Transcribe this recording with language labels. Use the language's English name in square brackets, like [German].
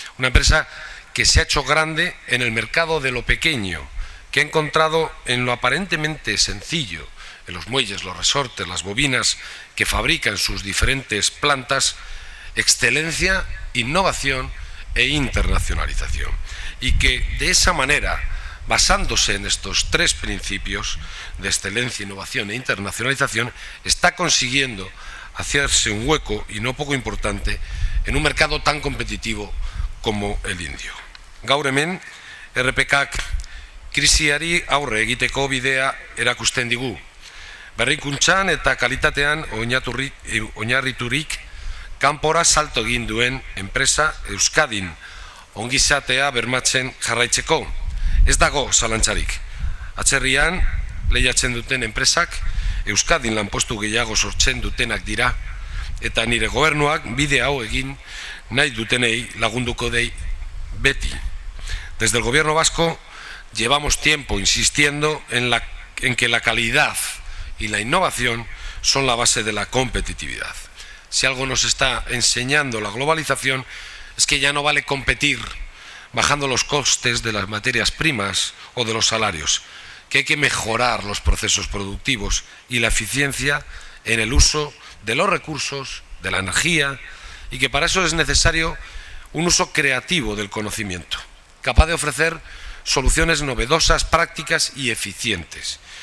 [Spanish] Una empresa que se ha hecho grande en el mercado de lo pequeño, que ha encontrado en lo aparentemente sencillo, en los muelles, los resortes, las bobinas que fabrican sus diferentes plantas, excelencia, innovación e internacionalización. Y que de esa manera, basándose en estos tres principios de excelencia, innovación e internacionalización, está consiguiendo hacerse un hueco, y no poco importante, en un mercado tan competitivo como el indio. [Basque] Gaur hemen, RPK-ak krisiari aurre egiteko bidea erakusten digu. Berrikuntzan eta kalitatean oinarriturik kanpora salto egin duen enpresa Euskadin ongizatea bermatzen jarraitzeko. Ez dago zalantzarik. Atzerrian lehiatzen duten enpresak Euskadin lanpostu gehiago sortzen dutenak dira, eta nire gobernuak bide hau egin nahi dutenei lagunduko dei beti. [Spanish] Desde el gobierno vasco llevamos tiempo insistiendo en que la calidad y la innovación son la base de la competitividad. Si algo nos está enseñando la globalización es que ya no vale competir bajando los costes de las materias primas o de los salarios, que hay que mejorar los procesos productivos y la eficiencia en el uso de los recursos, de la energía, y que para eso es necesario un uso creativo del conocimiento, capaz de ofrecer soluciones novedosas, prácticas y eficientes.